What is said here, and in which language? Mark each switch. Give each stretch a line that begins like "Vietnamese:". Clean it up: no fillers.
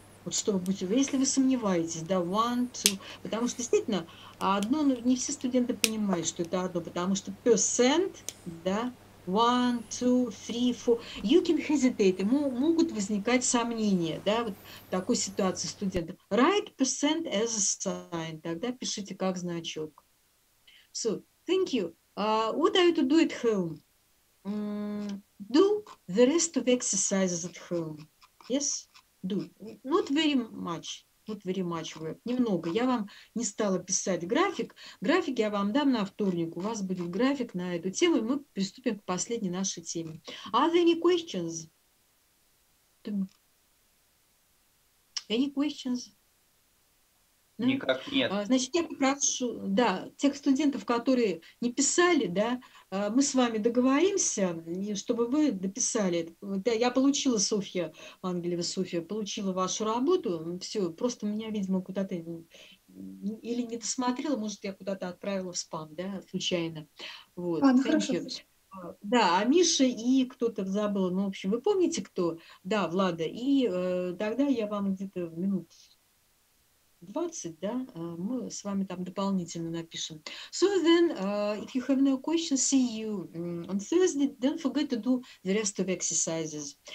Russian: Вот чтобы быть, если вы сомневаетесь, да,
English: one, two, потому что действительно одно, ну, не все студенты понимают, что это одно, потому что percent, да, one, two, three, four, you can hesitate,
Russian: могут возникать сомнения, да, вот в такой ситуации студентов.
English: Write percent as a sign,
Russian: тогда пишите как значок.
English: So, thank you. What are you to do at home? Do the rest of exercises at home, yes? Do. Not very much. Not very much work.
Russian: Немного. Я вам не стала писать график. График я вам дам на вторник. У вас будет график на эту тему, и мы приступим к последней нашей теме.
English: Are there any questions? Any questions?
Russian: No? Никак нет. Значит, я попрошу, да, тех студентов, которые не писали, да, мы с вами договоримся, чтобы вы дописали. Я получила, Софья, Ангелева Софья, получила вашу работу. Все, просто меня, видимо, куда-то или не досмотрела, может, я куда-то отправила в спам, да, случайно. Вот. Ладно, хорошо. Да, а Миша и кто-то забыл. Ну, в общем, вы помните, кто? Да, Влада. И тогда я вам где-то минут 20, да, мы с вами там дополнительно напишем.
English: So then, if you have no questions, see you on Thursday. Don't forget to do the rest of exercises.